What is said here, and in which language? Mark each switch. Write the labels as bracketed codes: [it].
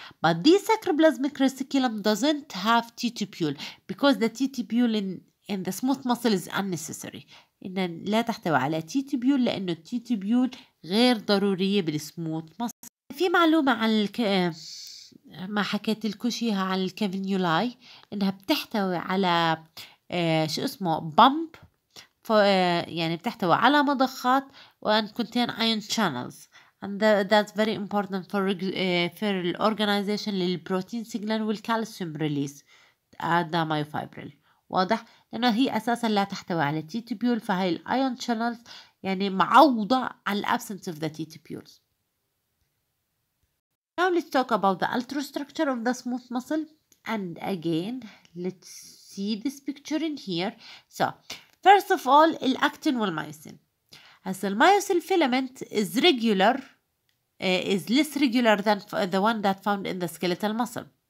[en] But this sacroplasmic reticulum doesn't have T-tubule because the T-tubule in the smooth muscle is unnecessary. [ar] إن لا تحتوي على T-tubule لأنه T-tubule غير ضرورية بالسموث muscle. في معلومة عن ما حكيت لكم اياها عن الكافينيولاي، انها بتحتوي على شو اسمه بامب، يعني بتحتوي على مضخات وان كونتين ايون شانلز، [en] and that's very important for organization [ar] للبروتين سيجنال والكالسيوم ريليس ذا مايوفايبريل. واضح؟ لانه هي اساسا لا تحتوي على تي تيبيول، فهي الايون شانلز يعني معوضه عن [en] الابسنس of the T tubules. Now let's talk about the ultrastructure of the smooth muscle. And again, let's see this picture in here. So, first of all, the actin and myosin. As the myosin filament is regular, is less regular than the one that found in the skeletal muscle.